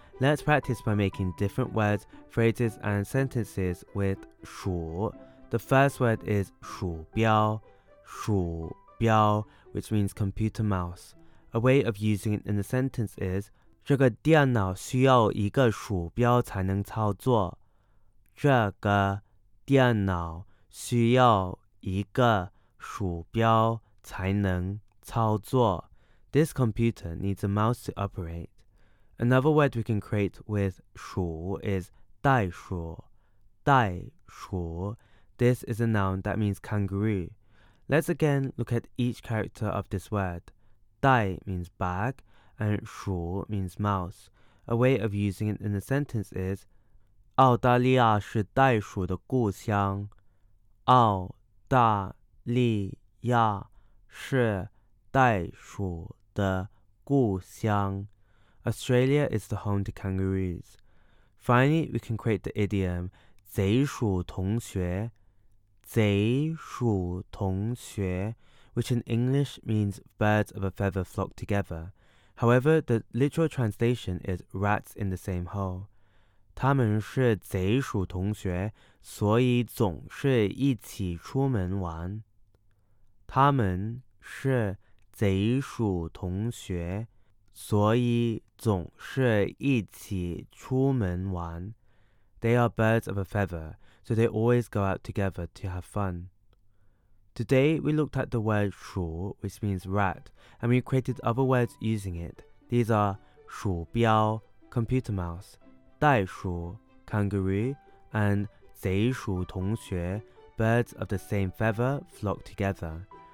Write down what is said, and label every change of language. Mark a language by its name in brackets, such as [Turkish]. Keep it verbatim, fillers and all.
[English] Let's practice by making different words, phrases, and sentences with 鼠. The first word is 鼠标, 鼠标, which means computer mouse. A way of using it in a sentence is [Chinese] 这个电脑需要一个鼠标才能操作。这个电脑需要一个鼠标才能操作。 [English] This computer needs a mouse to operate. Another word we can create with 鼠 is 袋鼠, 袋鼠。 This is a noun that means kangaroo. Let's again look at each character of this word. Dai means bag and shu means mouse. A way of using it in a sentence is [Chinese] 澳大利亚是袋鼠的故乡。澳大利亚是袋鼠的故乡。 [English] Australia is the home to kangaroos. Finally, we can create the idiom 贼鼠同学贼鼠同学, which in English means birds of a feather flock together. However, the literal translation is rats in the same hole. [Chinese] 他们是贼鼠同学, 所以总是一起出门玩。他们是贼鼠同学, 所以总是一起出门玩。 [English] They are birds of a feather, so they always go out together to have fun. Today, we looked at the word 鼠, which means rat, and we created other words using it. These are 鼠标, computer mouse, 袋鼠, kangaroo, and 贼鼠同学, birds of the same feather flock together.